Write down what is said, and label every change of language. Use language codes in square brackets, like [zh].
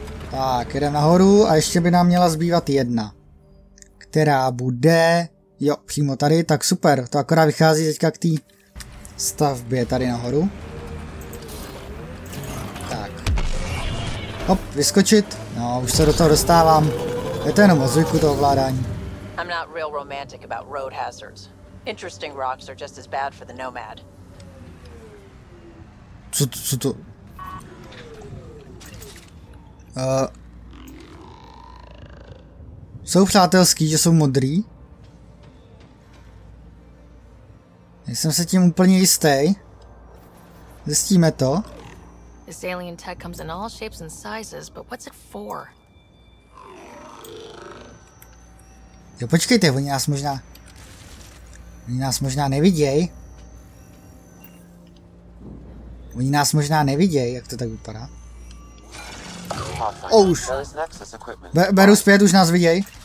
[cs] Tak, jdeme nahoru a ještě by nám měla zbývat jedna. Která bude... Jo, přímo tady, tak super. To akorát vychází teďka k té stavbě tady nahoru. Hop, vyskočit. No, už se do toho dostávám. Je to jenom o zvyku toho ovládání. [en] I'm not real romantic about road hazards. Interesting rocks are just as bad for the nomad. [cs] Co to? Jsou přátelský, že jsou modrý. Nejsem se tím úplně jistý. Zjistíme to. [en] This alien tech comes in all shapes and sizes, but what's it for? [cs] Jo, počkejte, oni nás možná nevidějí. Oni nás možná nevidějí, jak to tak vypadá. O, už. Beru zpět, už nás vidějí.